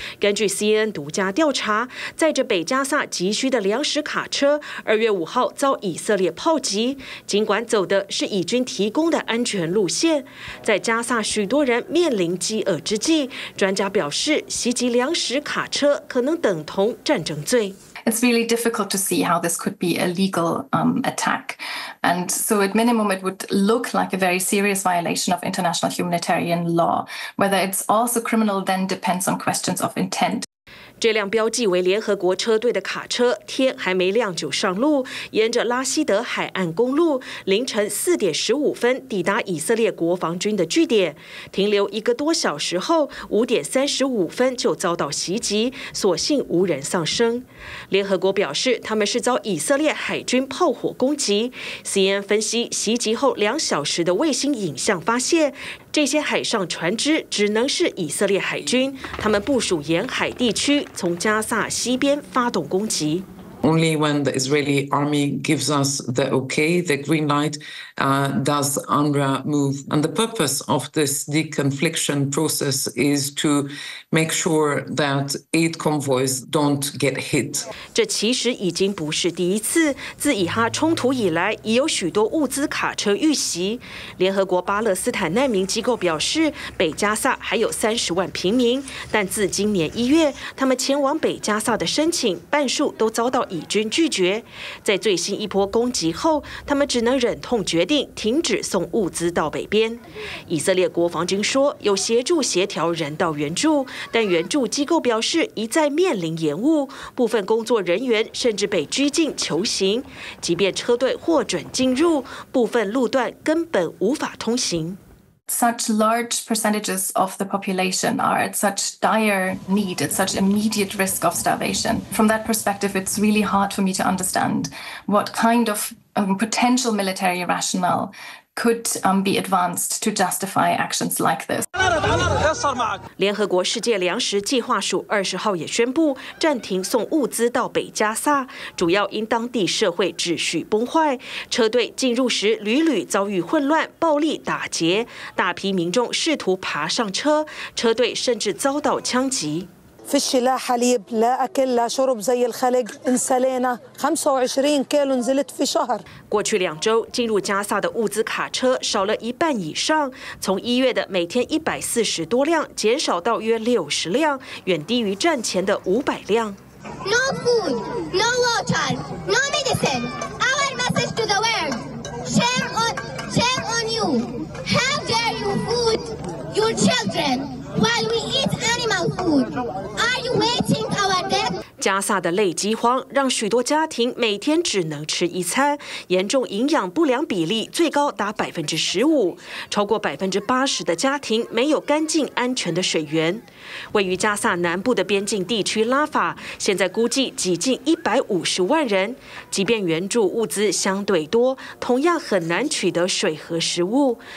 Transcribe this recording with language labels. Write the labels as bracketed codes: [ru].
[zh] 根据 CNN 独家调查，载着北加萨急需的粮食卡车2月5号遭以色列炮击，尽管走的是以军提供的安全路线，在加萨许多人面临饥饿之际，专家表示袭击粮食卡车可能等同战争罪。 [en] It's really difficult to see how this could be a legal attack. And so at minimum, it would look like a very serious violation of international humanitarian law. Whether it's also criminal then depends on questions of intent. [zh] 这辆标记为联合国车队的卡车，天还没亮就上路，沿着拉希德海岸公路，凌晨4:15抵达以色列国防军的据点，停留1个多小时后，5:35就遭到袭击，所幸无人丧生。联合国表示，他们是遭以色列海军炮火攻击。 CNN 分析，袭击后2小时的卫星影像发现，这些海上船只只能是以色列海军，他们部署沿海地区，从加萨西边发动攻击。 [en] Only when the Israeli army gives us the okay, the green light, does UNRWA move. And the purpose of this deconfliction process is to make sure that aid convoys don't get hit. [zh] 这其实已经不是第一次，自以哈冲突以来，已有许多物资卡车遇袭。联合国巴勒斯坦难民机构表示，北加萨还有30万平民，但自今年1月，他们前往北加萨的申请，半数都遭到以军拒绝。在最新一波攻击后，他们只能忍痛决定停止送物资到北边。以色列国防军说有协助协调人道援助，但援助机构表示一再面临延误，部分工作人员甚至被拘禁求刑，即便车队获准进入，部分路段根本无法通行。 [en] Such large percentages of the population are at such dire need, at such immediate risk of starvation. From that perspective, it's really hard for me to understand what kind of potential military rationale could be advanced to justify actions like this. [zh] 联合国世界粮食计划署20号也宣布暂停送物资到北加萨，主要因当地社会秩序崩坏，车队进入时屡屡遭遇混乱、暴力打劫，大批民众试图爬上车，车队甚至遭到枪击。 [ar] فيش لا حليب لا أكل لا شرب زي الخلق إنسلينا 25 كيلو نزلت في شهر. [zh] 过去两周，进入加萨的物资卡车少了一半以上，从一月的每天140多辆减少到约60辆，远低于战前的500辆。 [en] No food, no water, no medicine. Our message to the world: shame on you. How dare you food your children? While we eat animal food, are you waiting our death? [zh] 加萨的累饥荒让许多家庭每天只能吃一餐，严重营养不良比例最高达15%，超过80%的家庭没有干净安全的水源。位于加萨南部的边境地区拉法，现在估计挤进150万人，即便援助物资相对多，同样很难取得水和食物。